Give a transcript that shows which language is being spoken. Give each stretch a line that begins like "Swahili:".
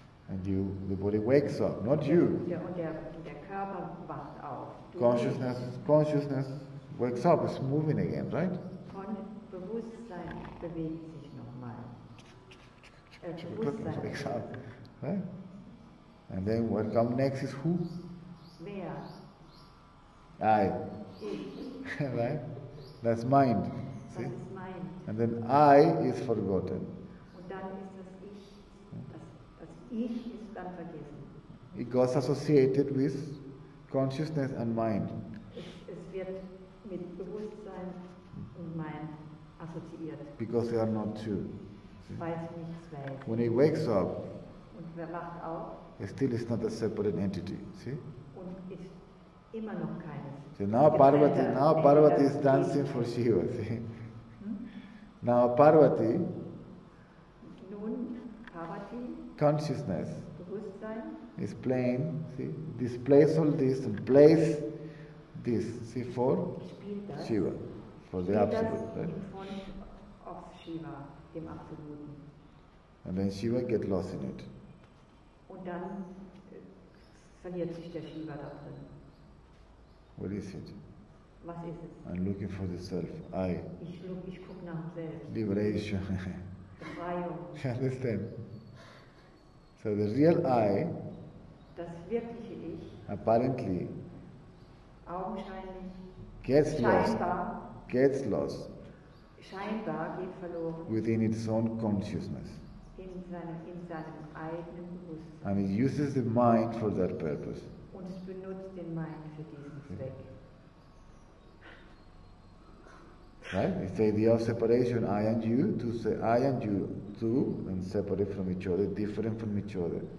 English: And you, the body wakes up, not you.
German: Und der Körper wacht auf.
English: Consciousness wakes up, it's moving again, right?
German: Bewusstsein bewegt sich nochmal.
English: Exactly. Right? And then what comes next is who? Where? I. Right? That's mind. See? That is mind. And then I is forgotten.
German: Und dann ist das Ich. Das Ich ist dann vergessen.
English: It goes associated with consciousness and mind.
German: Es wird mit Bewusstsein und Mind assoziiert.
English: Because they are not two.
German: Weil es nicht zwei ist.
English: When he wakes up,
German: und wer wacht auf,
English: it still is not a separate entity. See?
German: Und ist immer noch keines.
English: So now Parvati is dancing for Shiva. See? Now Parvati,
German: nun, Parvati,
English: consciousness,
German: Bewusstsein,
English: is playing, see, displays all this and plays this, see, for
German: das,
English: Shiva, for the Absolute.
German: Das
English: right? In front of
German: Shiva, dem Absoluten.
English: And then Shiva gets lost in it.
German: Und dann verliert sich der Shiva da drin.
English: What is it?
German: Was ist es?
English: I'm looking for the self. I.
German: Ich guck nach dem Selbst.
English: Liberation.
German: Befreiung.
English: You understand? So the real I.
German: Das wirkliche Ich.
English: Apparently.
German: Augenscheinlich.
English: Gets lost.
German: Scheinbar.
English: Gets lost.
German: Scheinbar geht verloren.
English: Within its own consciousness.
German: In seinem eigenen Bewusstsein.
English: And it uses the mind for that purpose.
German: Und es benutzt den Mind für diesen Zweck.
English: Right? It's the idea of separation, I and you, to say I and you, two, and separate from each other, different from each other.